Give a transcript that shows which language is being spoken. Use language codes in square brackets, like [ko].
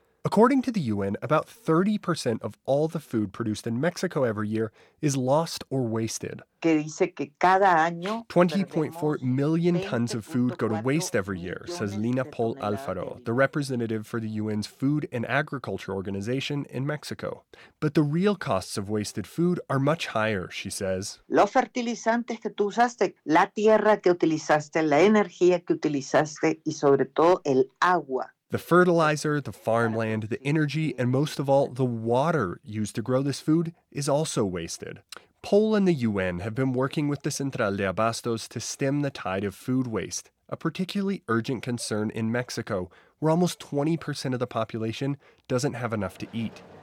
[en] According to the UN, about 30% of all the food produced in Mexico every year is lost or wasted. 20.4 million tons of food go to waste every year, says Lina Paul Alfaro, the representative for the UN's Food and Agriculture Organization in Mexico. But the real costs of wasted food are much higher, she says. [es] Los fertilizantes que tú usaste, la tierra que utilizaste, la energía que utilizaste, y sobre todo el agua. [en] The fertilizer, the farmland, the energy, and most of all, the water used to grow this food is also wasted. Pol and the UN have been working with the Central de Abastos to stem the tide of food waste, a particularly urgent concern in Mexico, where almost 20% of the population doesn't have enough to eat.